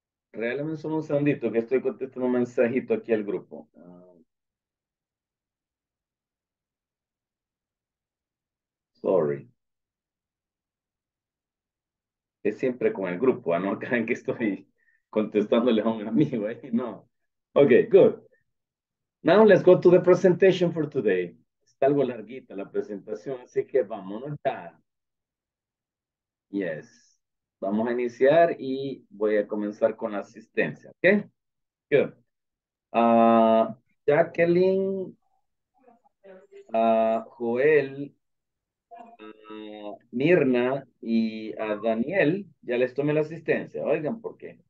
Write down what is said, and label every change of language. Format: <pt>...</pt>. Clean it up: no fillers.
<es>Regálame solo un segundito que estoy contestando un mensajito aquí al grupo.</es> <en>Sorry.</en> <es>Es siempre con el grupo, ¿no? Crean que estoy contestándole a un amigo ahí, no.</es> <en>Okay, good. Now let's go to the presentation for today.</en> <es>Está algo larguita la presentación, así que vámonos ya. Yes. Vamos a iniciar y voy a comenzar con la asistencia, ¿ok? Good. Jacqueline, Joel, Mirna y a Daniel, ya les tomé la asistencia. Oigan, ¿por qué?</es>